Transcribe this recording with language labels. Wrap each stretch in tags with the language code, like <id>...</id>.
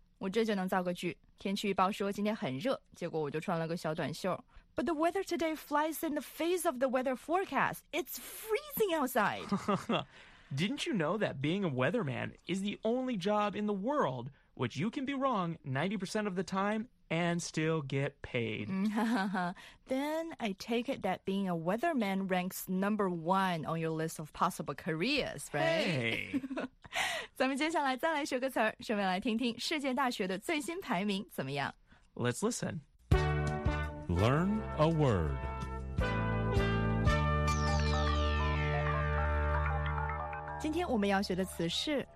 <zh>我这就能造个句：天气预报说今天很热，结果我就穿了个小短袖。</zh> <en>But the weather today flies in the face of the weather forecast. It's freezing outside. Didn't you know that being a weatherman is the only job in the world which you can be wrong 90% of the time and still get paid? Then I take it that being a weatherman ranks number one on your list of possible careers, right? Hey!</en> <zh>咱们接下来再来学个词儿，顺便来听听世界大学的最新排名怎么样。</zh> <en>Let's listen. Learn a word. Today, we're going to learn the word</en>